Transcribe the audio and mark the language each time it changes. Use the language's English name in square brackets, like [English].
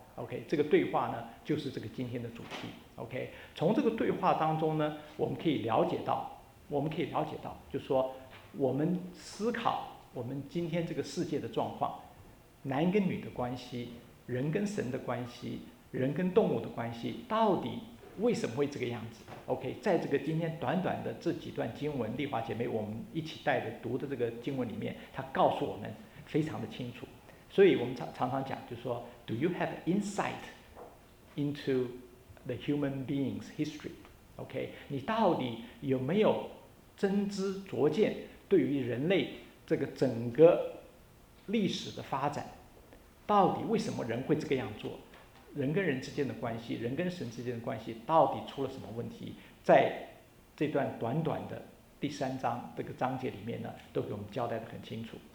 [Chinese] OK， 这个对话呢就是这个今天的主题。OK， 从这个对话当中呢我们可以了解到就是说我们思考我们今天这个世界的状况，男跟女的关系，人跟神的关系，人跟动物的关系到底为什么会这个样子。 OK， 在这个今天短短的这几段经文，丽华姐妹我们一起带着读的这个经文里面，它告诉我们非常的清楚。所以我们常常讲，就是说 [English] Do you have insight into the human being's history？ [Chinese] OK， 你到底有没有真知灼见对于人类这个整个历史的发展，到底为什么人会这个样做，人跟人之间的关系，人跟神之间的关系到底出了什么问题，在这段短短的第三章这个章节里面呢，都给我们交代得很清楚。